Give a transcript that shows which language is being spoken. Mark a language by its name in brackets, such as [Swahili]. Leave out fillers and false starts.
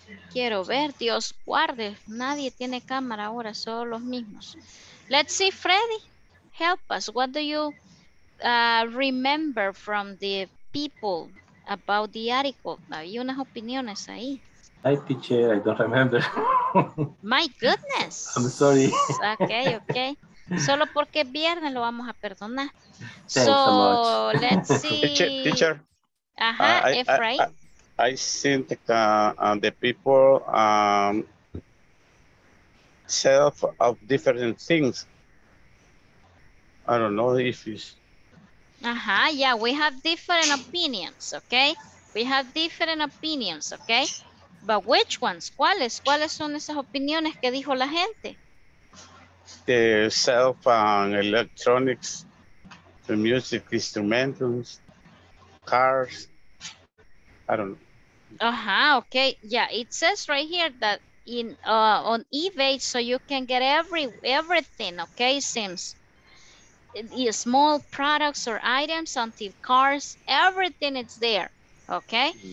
[Spanish] Quiero ver, Dios guarde, nadie tiene cámara ahora, solo los mismos. [English] Let's see, Freddy, help us. What do you remember from the people about the article? [Spanish] Hay unas opiniones ahí. [English] Hi, teacher, I don't remember. My goodness. I'm sorry. Okay, okay. [Spanish] Solo porque es viernes lo vamos a perdonar. [English] Thanks so much. Let's see. Teacher. Ajá, Efraín. I think the people sell of different things. I don't know if it's... Uh-huh, yeah, we have different opinions, okay? We have different opinions, okay? But which ones? ¿Cuáles? [Spanish] ¿Cuáles son esas opiniones que dijo la gente? [English] The cell phone, electronics, the music instruments, cars, I don't know. Uh-huh, okay, yeah, it says right here that in on eBay, so you can get everything, okay, seems small products or items until cars, everything is there, okay.